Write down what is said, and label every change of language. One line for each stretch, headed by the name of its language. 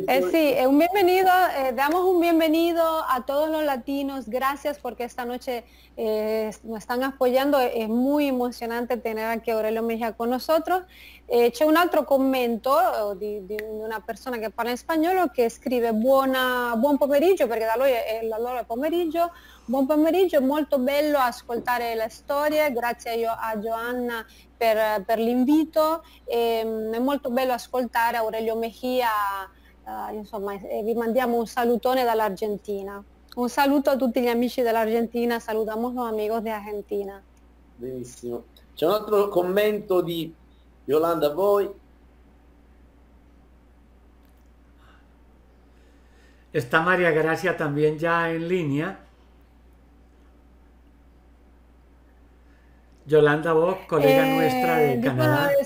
Spanish: Sì, un bienvenido, damos un bienvenido a todos los latinos, gracias porque esta noche nos están apoyando, es muy emocionante tener aquí a Aurelio Mejía con nosotros.
Italian: C'è un altro commento di una persona che parla in spagnolo che scrive buon pomeriggio, perché da lui è la loro pomeriggio. Buon pomeriggio, molto bello ascoltare le storie, grazie a Joanna per l'invito. È molto bello ascoltare Aurelio Mejía, insomma, e vi mandiamo un salutone dall'Argentina. Un saluto a tutti gli amici dell'Argentina,
Spanish: salutamos los amigos de Argentina.
Italian: Benissimo. C'è un altro commento di Yolanda, voi.
Spanish: Sta Maria Grazia también ya en línea. Yolanda Bock, colega nuestra de Canadá.